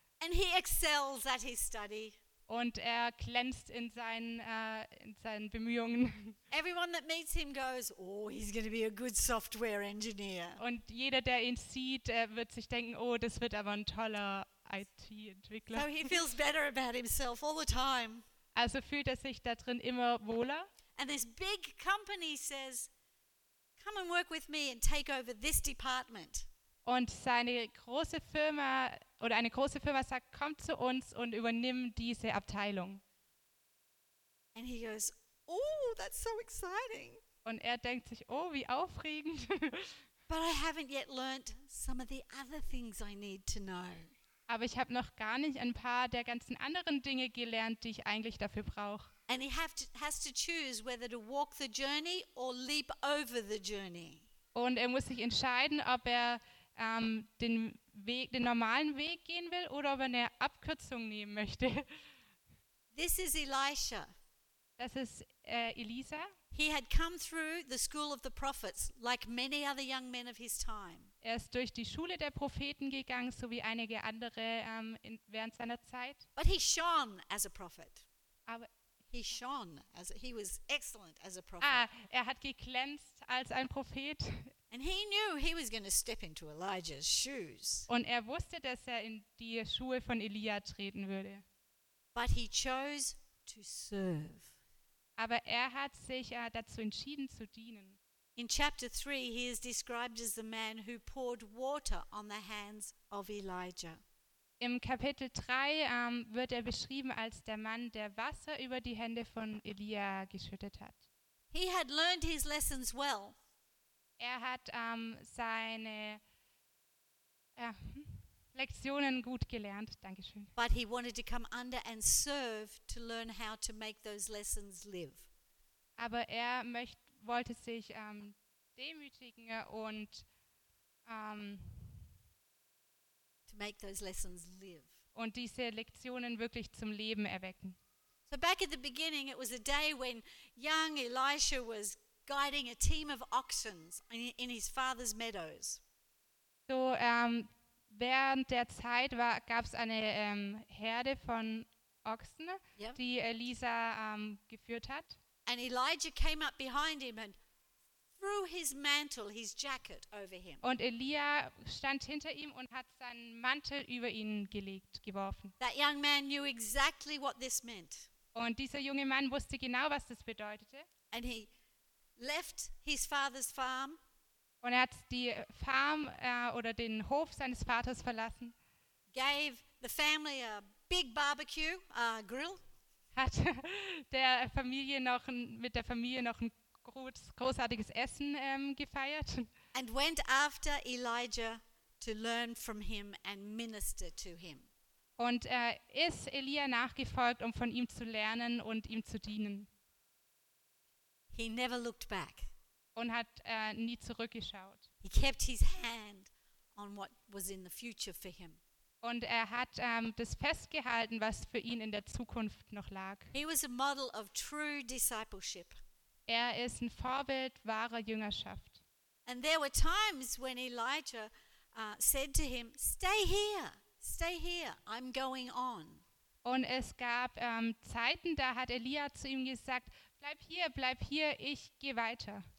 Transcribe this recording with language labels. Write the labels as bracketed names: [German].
[English] And he excels at his study. [German] Und er glänzt in seinen Bemühungen. [English] Everyone that meets him goes, oh, he's going to be a good software engineer. [German] Und jeder, der ihn sieht, wird sich denken, oh, das wird aber ein toller IT-Entwickler. [English] So he feels better about himself all the time. [German] Also fühlt er sich da drin immer wohler. [English] And this big company says, come and work with me and take over this department. [German] und seine große Firma oder eine große Firma sagt, komm zu uns und übernimm diese Abteilung. [English] And he goes, oh, that's so exciting. [German] Und er denkt sich, oh, wie aufregend. [English] But I haven't yet learned some of the other things I need to know. [German] Aber ich habe noch gar nicht ein paar der ganzen anderen Dinge gelernt, die ich eigentlich dafür brauche. [English] And he has to choose whether to walk the journey or leap over the journey. [German] Und er muss sich entscheiden, ob er den Weg, den normalen Weg gehen will oder ob er eine Abkürzung nehmen möchte. [English] This is Elisha. [German] Das ist Elisa. [English] He had come through the school of the prophets like many other young men of his time. [German] Er ist durch die Schule der Propheten gegangen, so wie einige andere während seiner Zeit. [English] But he shone as a prophet. [German] Aber [English] he was excellent as a prophet. [German] Er hat geglänzt als ein Prophet. [English] And he knew he was going to step into Elijah's shoes. [German] Und er wusste, dass er in die Schuhe von Elia treten würde. [English] But he chose to serve. [German] Aber er hat sich dazu entschieden zu dienen. [English] In chapter 3 he is described as the man who poured water on the hands of Elijah. [German] Im Kapitel 3 wird er beschrieben als der Mann, der Wasser über die Hände von Elia geschüttet hat. [English] He had learned his lessons well. [German] Er hat seine Lektionen gut gelernt, danke schön. [English] But he wanted to come under and serve to learn how to make those lessons live. [German] Aber er wollte sich demütigen und [English] to make those lessons live. [German] Und diese Lektionen wirklich zum Leben erwecken. [English] So back at the beginning, it was a day when young Elisha was guiding a team of oxen in his father's meadows. [German] So während der Zeit gab es eine Herde von Ochsen, yep, die Elisa geführt hat. [English] And Elijah came up behind him and threw his mantle, his jacket, over him. [German] Und Elia stand hinter ihm und hat seinen Mantel über ihn gelegt, geworfen. [English] That young man knew exactly what this meant. [German] Und dieser junge Mann wusste genau, was das bedeutete. [English] And he left his father's farm. [German] Und er hat die Farm oder den Hof seines Vaters verlassen. [English] Gave the family a big barbecue, a grill. [German] Hat der Familie noch mit der Familie noch ein großartiges Essen gefeiert. [English] And went after Elijah to learn from him and minister to him. [German] Und er ist Elia nachgefolgt, um von ihm zu lernen und ihm zu dienen. [English] He never looked back. [German] Und hat nie zurückgeschaut. [English] He kept his hand on what was in the future for him. [German] Und er hat das festgehalten, was für ihn in der Zukunft noch lag. [English] He was a model of true discipleship. [German] Er ist ein Vorbild wahrer Jüngerschaft. [English] And there were times when Elijah said to him, stay here, I'm going on. [German] Und es gab Zeiten, da hat Elia zu ihm gesagt, bleib hier, ich gehe weiter.